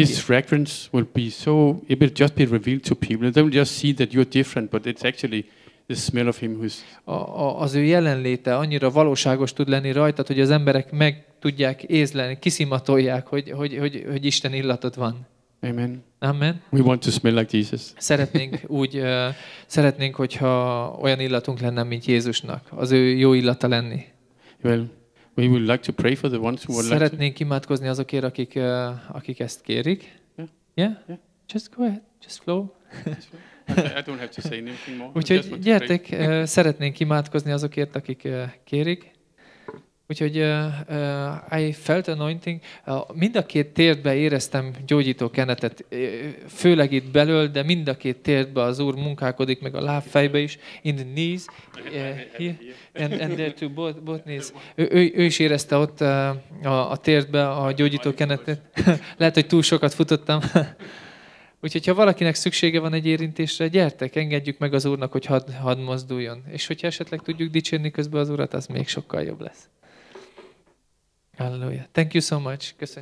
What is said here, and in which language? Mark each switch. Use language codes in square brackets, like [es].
[en] His fragrance will be so, it will just be revealed to people. They will just see that you're different, but it's actually the smell of him who's. [hu] Az ő jelenléte annyira valóságos tud lenni rajtad, hogy az emberek meg tudják észlelni, kiszimatolják, hogy Isten illatod van. Amen. Amen. [en] We want to smell like Jesus. [hu] Szeretnénk úgy szeretnénk, hogyha olyan illatunk lenne, mint Jézusnak, az ő jó illata lenni. [en] Well, we would like to pray for the ones who would like. [hu] Szeretnénk imádkozni azokért, akik ezt kérik. [en] Yeah. Yeah. Yeah. Just go ahead. Just flow. I don't have to say anything more. [hu] Úgyhogy gyertek, szeretnénk imádkozni azokért, akik kérik. Úgyhogy [en] I felt anointing. [hu] Mind a két térdbe éreztem gyógyító kenetet, főleg itt belől, de mind a két térdbe az Úr munkálkodik, meg a lábfejbe is. [en] In the knees, here, and there too, both knees. [hu] Ő is érezte ott a térdbe a gyógyító kenetet. Lehet, hogy túl sokat futottam. Úgyhogy ha valakinek szüksége van egy érintésre, gyertek, engedjük meg az Úrnak, hogy hadd mozduljon. És hogyha esetleg tudjuk dicsérni közben az Urat, az még sokkal jobb lesz. Hallelujah. [en] Thank you so much. [hu] Köszönjük.